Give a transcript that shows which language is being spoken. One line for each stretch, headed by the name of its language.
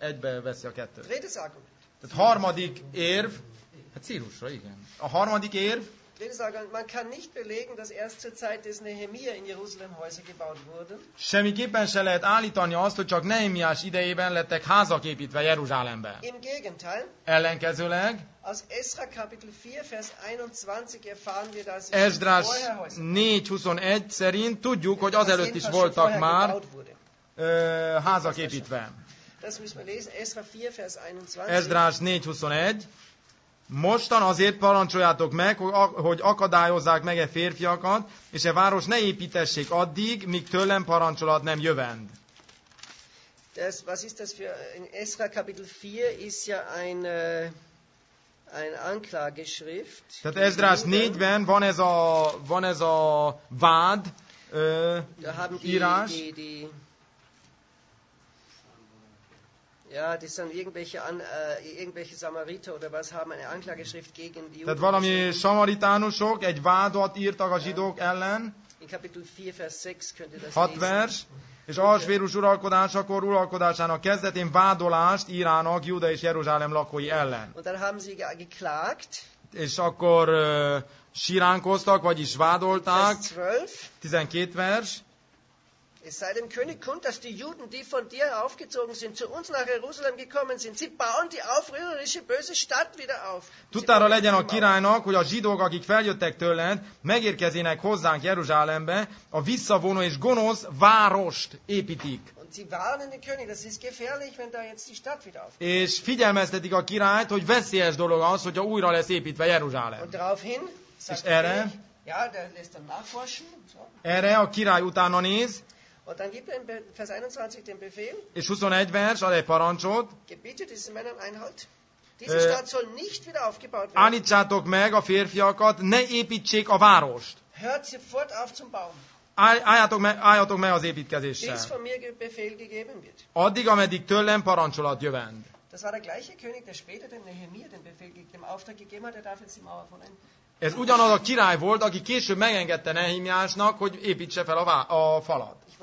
Hungarian: Egybe veszi a kettőt. Tehát harmadik érv, hát Círusra, igen. A harmadik érv,
German: man kann nicht belegen, dass erst zur Zeit des Nehemiah in Jerusalem Häuser gebaut wurden.
Hungarian: Semmiképpen se lehet állítani azt, hogy csak Nehemiás idejében lettek házak építve Jeruzsálemben.
German: Im Gegenteil.
Hungarian: Ellenkezőleg.
German: Aus Esra Kapitel 4 Vers 21 erfahren wir, dass
Hungarian: Esdrás 4:21 szerint tudjuk, hogy azelőtt is voltak már házak építve.
German: Das müssen wir lesen. Esra 4 Vers 21.
Hungarian: Esdrás 4:21. Mostan azért parancsoljátok meg, hogy akadályozzák meg e férfiakat, és e város ne építessék addig, míg tőlem parancsolat nem jövend.
German: Das, was ist das für, in Esra Kapitel 4 ist ja ein Anklageschrift.
Hungarian: Tehát Esdrás 4-ben van ez a vád írás.
German: Ja, das sind irgendwelche Samariter oder was haben eine Anklageschrift gegen die Juden.
Hungarian: Tehát valami samaritánusok egy vádat írtak a zsidók ellen.
German: In Kapitel 4 Vers 6 könnte das
Hungarian: 6 vers, és Ahasvérus uralkodásakor uralkodásának kezdetén vádolást írának Júda és Jeruzsálem lakói ellen.
German: Und dann haben sie geklagt.
Hungarian: És akkor síránkoztak, vagyis vádolták. 12 vers.
German: Es sei dem König kund, dass die Juden, die von dir aufgezogen sind, zu uns nach Jerusalem gekommen sind. Sie bauen die aufrührerische böse Stadt wieder auf.
Hungarian: Tudtára legyen a királynak, hogy a zsidók, akik feljöttek tőled, megérkezének hozzánk Jeruzsálembe, a visszavonó és gonosz várost építik.
German: Und sie warnen den König, das ist gefährlich, wenn da jetzt die Stadt wieder aufkommt.
Hungarian: És figyelmeztetik a királyt, hogy veszélyes dolog az, hogyha újra lesz építve Jeruzsálem.
German: Und daraufhin,
Hungarian: és erre,
German: ja, der lässt dann nachforschen,
Hungarian: so. Erre a király utána néz.
German: Und dann gibt er in Vers 21 den Befehl.
Hungarian: És 21 vers ad egy parancsot.
German: Gebietet diesen Männern Einhalt. Diese Stadt soll nicht wieder aufgebaut werden.
Hungarian: Állítsátok meg a férfiakat, ne építsék a várost.
German: Hört sofort auf zum Bauen.
Hungarian: Álljatok meg az építkezéssel.
German: Bis von mir Befehl gegeben wird.
Hungarian: Addig, ameddig tőlem parancsolat jövend.
German: Das war der gleiche König, der später dem Nehemiah den Befehl, dem Auftrag gegeben hat, er darf jetzt die Mauer von einem.
Hungarian: Ez ugyanaz a király volt, aki később megengedte Nehémiásnak, hogy építse fel a falat.